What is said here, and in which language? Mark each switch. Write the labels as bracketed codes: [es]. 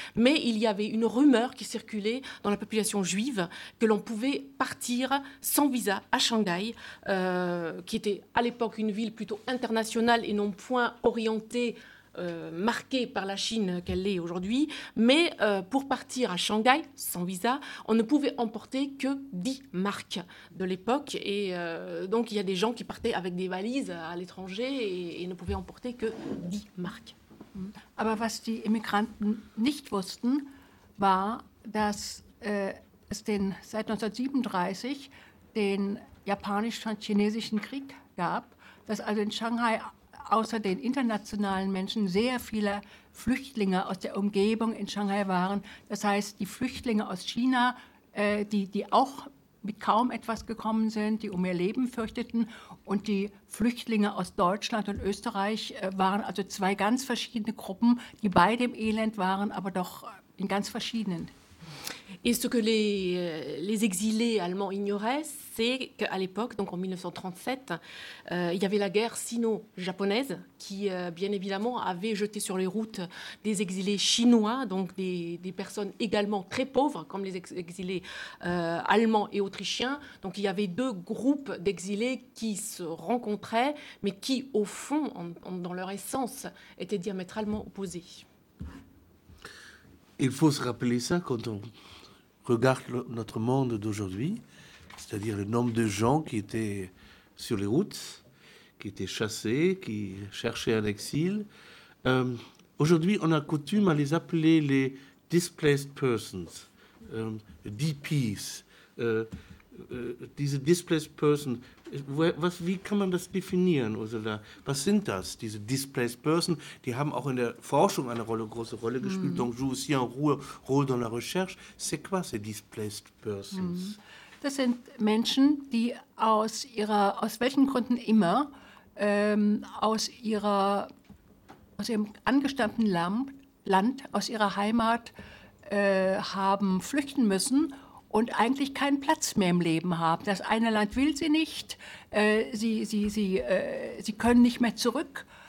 [fr] Mais il y avait une rumeur qui circulait dans la population juive que l'on pouvait partir sans visa à Shanghai, qui était à l'époque une ville plutôt internationale et non point orientée, marquée par la Chine qu'elle est aujourd'hui, mais pour partir à Shanghai sans visa, on ne pouvait emporter que 10 marques de l'époque. Et donc il y a des gens qui partaient avec des valises à l'étranger et ne pouvaient emporter que 10 marques. [de] Aber was die Immigranten nicht wussten, war, dass es seit 1937 den japanisch-chinesischen Krieg gab, dass also in Shanghai außer den internationalen Menschen sehr viele Flüchtlinge aus der Umgebung in Shanghai waren. Das heißt, die Flüchtlinge aus China, die auch mit kaum etwas gekommen sind, die um ihr Leben fürchteten, und die Flüchtlinge aus Deutschland und Österreich waren also zwei ganz verschiedene Gruppen, die beide im Elend waren, aber doch in ganz verschiedenen. [fr] Et ce que les exilés allemands ignoraient, c'est qu'à l'époque, donc en 1937, il y avait la guerre sino-japonaise qui, bien évidemment, avait jeté sur les routes des exilés chinois, donc des personnes également très pauvres, comme les exilés allemands et autrichiens. Donc il y avait deux groupes d'exilés qui se rencontraient, mais qui, au fond, dans leur essence, étaient diamétralement opposés. Il faut se rappeler ça quand on regarde notre monde d'aujourd'hui, c'est-à-dire le nombre de gens qui étaient sur les routes, qui étaient chassés, qui cherchaient un exil. Aujourd'hui, on a coutume à les appeler les « displaced persons »,« DPs ». [de] Diese « displaced persons », wie kann man das definieren, Ursula? Was sind das, diese « displaced persons » Die haben auch in der Forschung eine große Rolle gespielt. [fr] Mm. Donc, joue aussi un rôle dans la recherche. C'est quoi, ces « displaced persons » [de] Das sind Menschen, die aus welchen Gründen immer, aus ihrem angestammten Land, aus ihrer Heimat, haben flüchten müssen und eigentlich keinen Platz mehr im Leben haben. Das eine Land will sie nicht, sie können nicht mehr zurück.